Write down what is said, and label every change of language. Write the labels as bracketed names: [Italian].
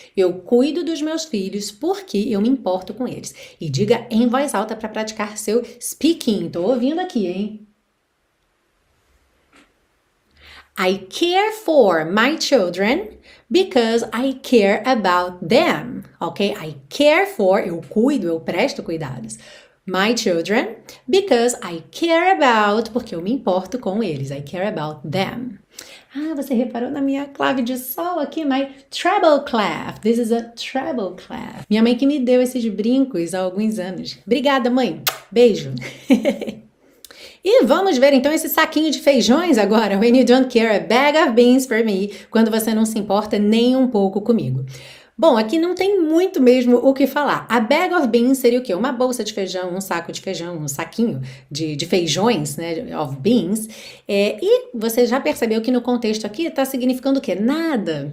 [Portuguese] Eu cuido dos meus filhos porque eu me importo com eles. E diga em voz alta para praticar seu speaking. Tô ouvindo aqui, hein? [English] I care for my children because I care about them. Ok? I care for, [Portuguese] eu cuido, eu presto cuidados. [English] My children because I care about, [Portuguese] porque eu me importo com eles. [English] I care about them. [Portuguese] Ah, você reparou na minha clave de sol aqui? [English] My treble clef. This is a treble clef. [Portuguese] Minha mãe que me deu esses brincos há alguns anos. Obrigada, mãe. Beijo. E vamos ver então esse saquinho de feijões agora. [English] When you don't care a bag of beans for me. [Portuguese] Quando você não se importa nem um pouco comigo. Bom, aqui não tem muito mesmo o que falar. A bag of beans seria o quê? Uma bolsa de feijão, um saco de feijão, um saquinho de feijões, né? Of beans. E você já percebeu que no contexto aqui está significando o quê? Nada.